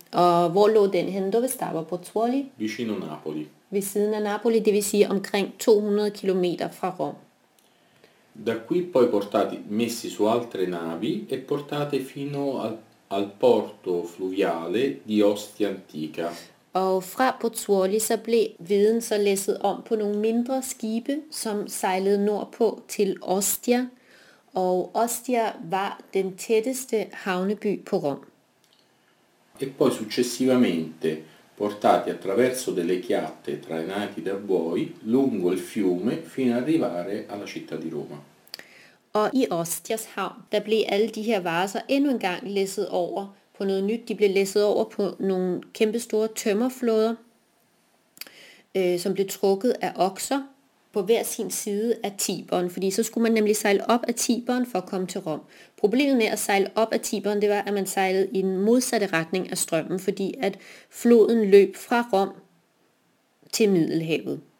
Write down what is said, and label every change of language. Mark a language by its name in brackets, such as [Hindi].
[Danish] Og hvor lå den henne? [Italian] Dove stava Pozzuoli? Vicino Napoli. [Danish] Ved siden af Napoli, det vil sige omkring 200 km fra Rom. [Italian] Da qui poi portati, messi su altre navi e portate fino al porto fluviale di Ostia Antica. [Danish] Og fra Pozzuoli så blev viden så læsset om på nogle mindre skibe, som sejlede nordpå til Ostia. Og Ostia var den tætteste havneby på Rom. [Italian] E poi successivamente portati attraverso delle chiatte trainati da buoi lungo il fiume fino ad arrivare alla città di Roma. [Danish] Og i Ostias havn, der blev alle de her varer så endnu en gang læsset over på noget nyt. De blev læsset over på nogle kæmpestore tømmerflåder, som blev trukket af okser på hver sin side af Tiberen. Fordi så skulle man nemlig sejle op af Tiberen for at komme til Rom. Problemet med at sejle op af Tiberen, det var, at man sejlede i den modsatte retning af strømmen, fordi at floden løb fra Rom til Middelhavet.